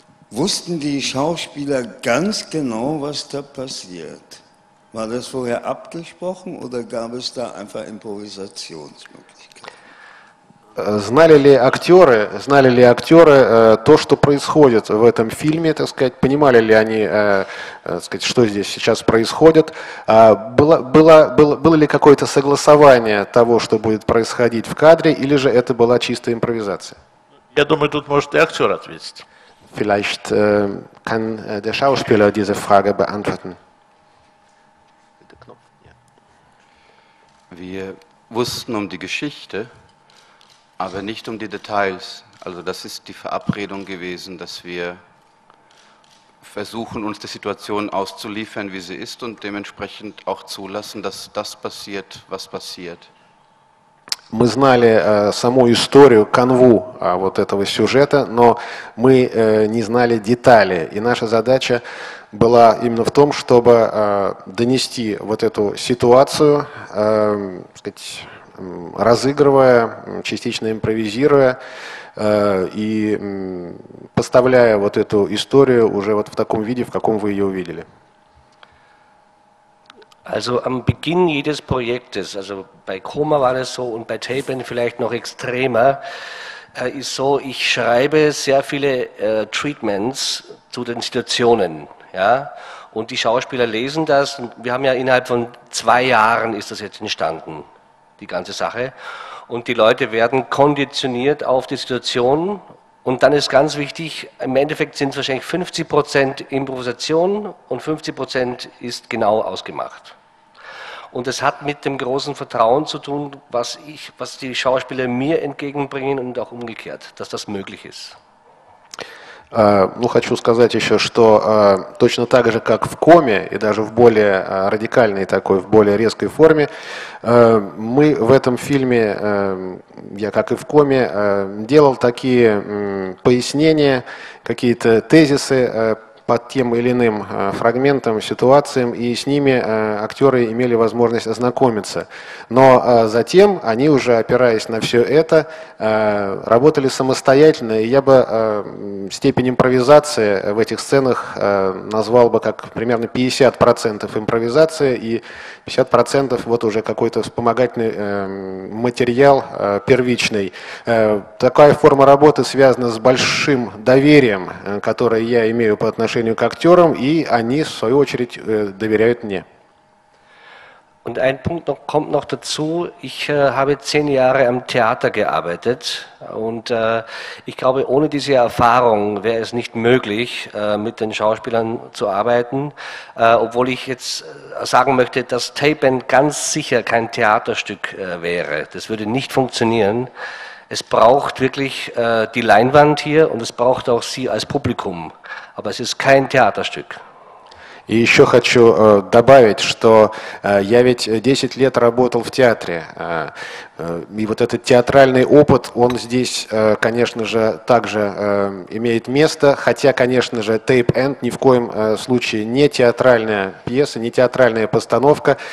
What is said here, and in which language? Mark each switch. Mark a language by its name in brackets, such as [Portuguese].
[German] Wussten die Schauspieler ganz genau, was da passiert? War das vorher abgesprochen oder gab es da einfach Improvisationsmöglichkeiten? [Russian] Знали ли актеры то, что происходит в этом фильме, так сказать, понимали ли они, так сказать, что здесь сейчас происходит? Было ли какое-то согласование того, что будет происходить в кадре, или же это была чистая импровизация? Я думаю, тут может и актер ответить. Vielleicht kann der Schauspieler diese Frage beantworten. [German] Wir wussten um die Geschichte, aber nicht um die Details. Also das ist die Verabredung gewesen, dass wir versuchen, uns die Situation auszuliefern, wie sie ist, und dementsprechend auch zulassen, dass das passiert, was passiert. [Russian] Мы знали саму историю, канву вот этого сюжета, но мы не знали детали. И наша задача была именно в том, чтобы донести вот эту ситуацию, сказать, разыгрывая, частично импровизируя и поставляя вот эту историю уже вот в таком виде, в каком вы ее увидели. [German] Also am Beginn jedes Projektes, also bei Koma war das so und bei Tapen vielleicht noch extremer, ist so, ich schreibe sehr viele Treatments zu den Situationen, ja, und die Schauspieler lesen das, und wir haben ja innerhalb von 2 Jahren ist das jetzt entstanden, die ganze Sache, und die Leute werden konditioniert auf die Situation. Und dann ist ganz wichtig, im Endeffekt sind es wahrscheinlich 50% Improvisation und 50% ist genau ausgemacht. Und das hat mit dem großen Vertrauen zu tun, was die Schauspieler mir entgegenbringen und auch umgekehrt, dass das möglich ist. [Russian] Ну, хочу сказать еще, что точно так же, как в Коме, и даже в более радикальной такой, в более резкой форме, мы в этом фильме, я как и в Коме, делал такие пояснения, какие-то тезисы под тем или иным фрагментом, ситуациям, и с ними актеры имели возможность ознакомиться. Но затем они уже, опираясь на все это, работали самостоятельно, и я бы степень импровизации в этих сценах назвал бы как примерно 50% импровизации и 50% вот уже какой-то вспомогательный материал первичный. Такая форма работы связана с большим доверием, которое я имею по отношению к актерам, и они, в свою очередь, доверяют мне. [German] Und ein Punkt noch, kommt noch dazu. Ich habe 10 Jahre am Theater gearbeitet und ich glaube, ohne diese Erfahrung wäre es nicht möglich, mit den Schauspielern zu arbeiten. Obwohl ich jetzt sagen möchte, dass Tapen ganz sicher kein Theaterstück wäre. Das würde nicht funktionieren. Es braucht wirklich die Leinwand hier und es braucht auch Sie als Publikum. Aber es ist kein Theaterstück. [Russian] И еще хочу добавить, что я ведь 10 лет работал в театре. И вот этот театральный опыт, он здесь, конечно же, также имеет место. Хотя, конечно же, тейп-энд ни в коем случае не театральная пьеса, не театральная постановка.